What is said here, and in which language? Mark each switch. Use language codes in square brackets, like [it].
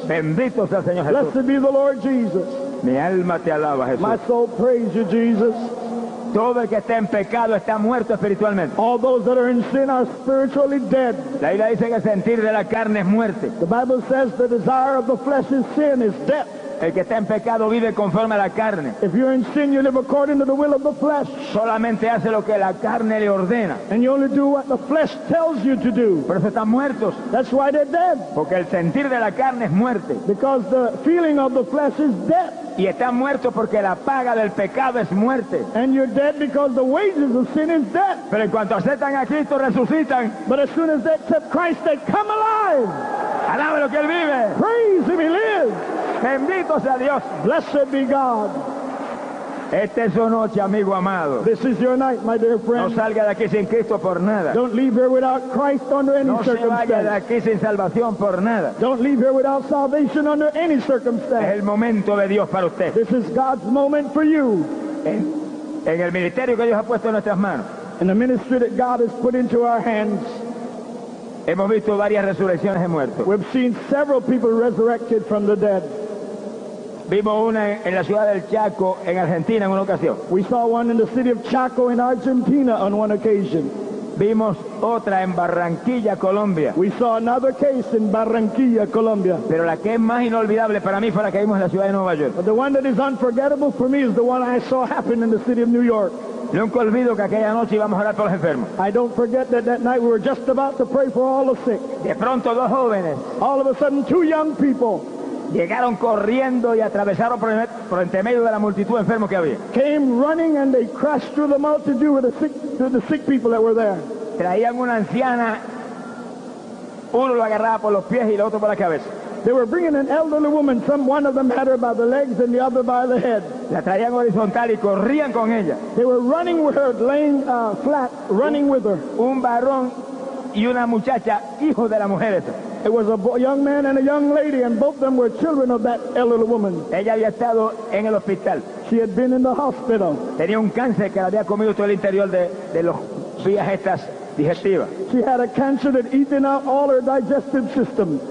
[es] Bendito sea el Señor Jesús. [en] Blessed be the Lord Jesus. [es] Mi alma te alaba, Jesús. [en] My soul praise you, Jesus. [es] Todo el que está en pecado está muerto espiritualmente. [en] All those that are in sin are spiritually dead. [es] La Biblia dice que el sentir de la carne es muerte. [en] The Bible says the desire of the flesh is sin, is death. [es] El que está en pecado vive conforme a la carne. [en] If you're in sin, you live according to the will of the flesh. [es] Solamente hace lo que la carne le ordena. [en] And you only do what the flesh tells you to do. [es] Por eso están muertos. [en] That's why they're dead. [es] Porque el sentir de la carne es muerte. [en] Because the feeling of the flesh is death. [es] Y están muertos porque la paga del pecado es muerte. [en] And you're dead because the wages of sin is death. [es] Pero en cuanto aceptan a Cristo, resucitan. [en] But as soon as they accept Christ, they come alive. [es] Alaba lo que él vive. [en] Praise him, he lives. [es] Bendito sea Dios. [en] Blessed be God. [es] Esta es su noche, amigo amado. [en] This is your night, my dear friend. [es] No salga de aquí sin Cristo por nada. [en] Don't leave here without Christ under any circumstance. [es] No se vaya de aquí sin salvación por nada. [en] Don't leave here without salvation under any circumstance. [es] Es el momento de Dios para usted. [en] This is God's moment for you. [es] En el ministerio que Dios ha puesto en nuestras manos. [en] In the ministry that God has put into our hands. [es] Hemos visto varias resurrecciones de muertos. [en] We've seen several people resurrected from the dead. [es] Vimos una en la ciudad del Chaco, en Argentina, en una ocasión. [en] We saw one in the city of Chaco in Argentina on one occasion. [es] Vimos otra en Barranquilla, Colombia. [en] We saw another case in Barranquilla, Colombia. [es] Pero la que es más inolvidable para mí fue la que vimos en la ciudad de Nueva York. [en] But the one that is unforgettable for me is the one I saw happen in the city of New York. [es] Nunca olvido que aquella noche íbamos a orar por los enfermos. [en] I don't forget that that night we were just about to pray for all the sick. [es] De pronto dos jóvenes. [en] All of a sudden two young people. [es] Llegaron corriendo y atravesaron por entre medio de la multitud de enfermos que había. [en] Came running and they crashed through the multitude with the sick people that were there. [es] Traían una anciana, uno lo agarraba por los pies y el otro por la cabeza. [en] They were bringing an elderly woman. Some one of them had her by the legs and the other by the head. [es] La traían horizontal y corrían con ella. [en] They were running with her, laying flat, running with her. [es] Un varón y una muchacha, hijo de la mujer esa. [en] It was a young man and a young lady, and both of them were children of that elderly woman. [es] Ella había estado en el hospital. [en] She had been in the hospital. [es] Tenía un cáncer que había comido todo el interior de los vías estas digestivas. [en] She had a cancer that eaten out all her digestive system.